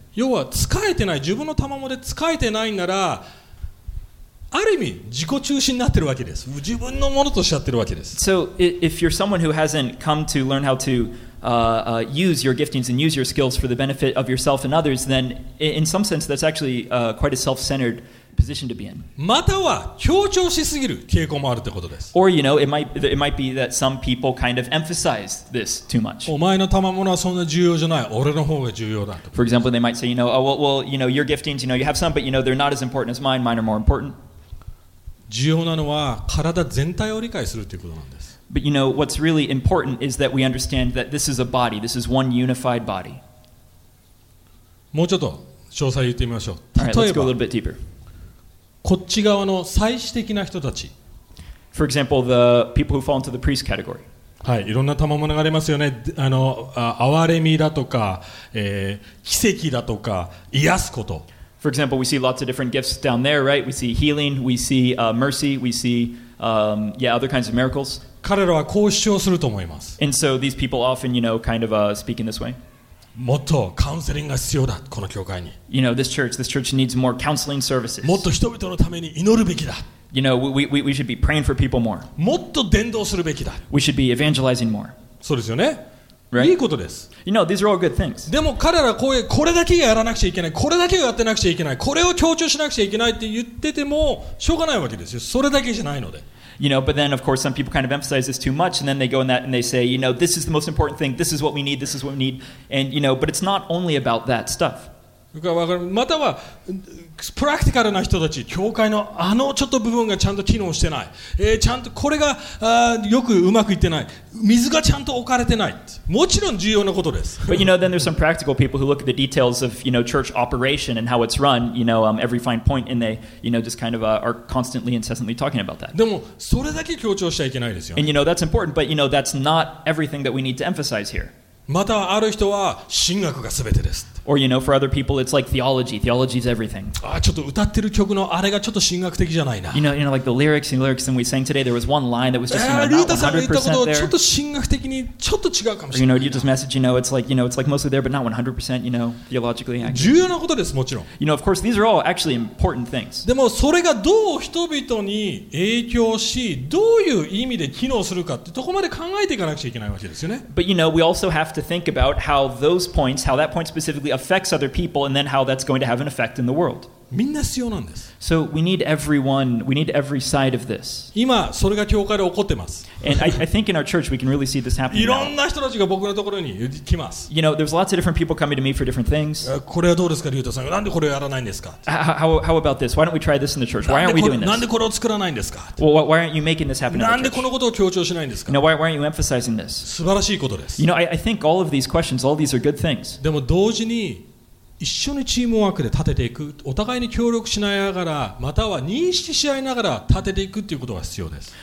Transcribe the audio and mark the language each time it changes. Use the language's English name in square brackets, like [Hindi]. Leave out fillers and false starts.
[Japanese] 要は使えてない、自分の賜物で使えてないなら、ある意味自己中心になってるわけです。自分のものとしちゃってるわけです。 [English] So if you're someone who hasn't come to learn how to use your giftings and use your skills for the benefit of yourself and others, then in some sense that's actually quite a self-centered position to be in. [Japanese] または協調しすぎる傾向もあるってことです。 [English] Or you know it might be that some people kind of emphasize this too much. [Japanese] お前の賜物はそんな重要じゃない。俺の方が重要だと。 [English] For example, they might say, you know, oh, well, you know, your giftings, you know, you have some, but you know, they're not as important as mine. Mine are more important. [Japanese] 重要なのは体全体を理解するということなんです。 [English] But you know, what's really important is that we understand that this is a body. This is one unified body. [Japanese] もうちょっと詳細言ってみましょう。例えば、 [English] All right, let's go a little bit deeper. [Japanese] こっち側の祭司的な人たち。 [English] For example, the people who fall into the priest category. [Japanese] はい、いろんな賜物がありますよね。憐れみだとか、奇跡だとか、癒すこと。 [English] For example, we see lots of different gifts down there, right? We see healing, we see mercy, we see other kinds of miracles. [Japanese] 彼らはこう主張すると思います。 [English] And so these people often, you know, kind of speak in this way. [Japanese] もっとカウンセリングが必要だ、この教会に。 [English] You know, this church needs more counseling services. [Japanese] もっと人々のために祈るべきだ。 [English] You know, we should be praying for people more. [Japanese] もっと伝道するべきだ。 [English] We should be evangelizing more. [Japanese] そうですよね。 [English] Right? [Japanese] いいことです。 [English] You know, these are all good things. [Japanese] でも彼らこういうこれだけやらなくちゃいけない、これだけをやってなくちゃいけない、これを強調しなくちゃいけないって言っててもしょうがないわけですよ。それだけじゃないので。 [English] You know, but then of course some people kind of emphasize this too much, and then they go in that and they say, you know, this is the most important thing. This is what we need. This is what we need. And you know, but it's not only about that stuff. [Japanese] またはプラクティカルな人たち、教会のあのちょっと部分がちゃんと機能してない、ちゃんとこれがよくうまくいってない、水がちゃんと置かれてない、もちろん重要なことです。 [English] But you know, then there's some practical people who look at the details of, you know, church operation and how it's run, you know, every fine point, and they, you know, just kind of are constantly, incessantly talking about that. [Japanese] でもそれだけ強調しちゃいけないですよ、ね。 [English] And you know, that's important, but you know, that's not everything that we need to emphasize here. [Japanese] またある人は神学が全てです。 [English] Or you know, for other people it's like theology. Theology is everything. [Japanese] ああ、ちょっと歌ってる曲のあれがちょっと神学的じゃないな。 [English] You know, like the lyrics and lyrics that we sang today, there was one line that was just, you know, not 100% there. [Japanese] ルータさんが言ったことはちょっと神学的にちょっと違うかもしれない。 [English] Or, you know, you just message, you know, it's like, you know, it's like mostly there, but not 100%, you know, theologically accurate. [Japanese] 重要なことです、もちろん。 [English] You know, of course, these are all actually important things. [Japanese] でもそれがどう人々に影響し、どういう意味で機能するかってとこまで考えていかなくちゃいけないわけですよね。 [English] But you know, we also have to think about how those points, how that point specifically affects other people, and then how that's going to have an effect in the world. [Japanese] みんな必要なんです。 [English] So we need everyone, we need every side of this. [Japanese] 今それが教会で起こってます。 [English] And I think in our church we can really see this happening. [Japanese] いろんな人たちが僕のところに来ます。 [English] You know, there's lots of different people coming to me for different things. [Japanese] これはどうですか、リュウタさん。なんでこれをやらないんですか。 [English] How about this? Why don't we try this in the church? Why aren't we doing this? [Japanese] なんでこれを作らないんですか。 [English] Well, why aren't you making this happen in the church? [Japanese] なんでこのことを強調しないんですか。 [English] No, why aren't you emphasizing this? [Japanese] 素晴らしいことです。 [English] You know, I think all of these questions, all these are good things. [Japanese] でも同時に一緒にチームワークで立てていく、お互いに協力しながら、または認識し合いながら立てていくということが必要です。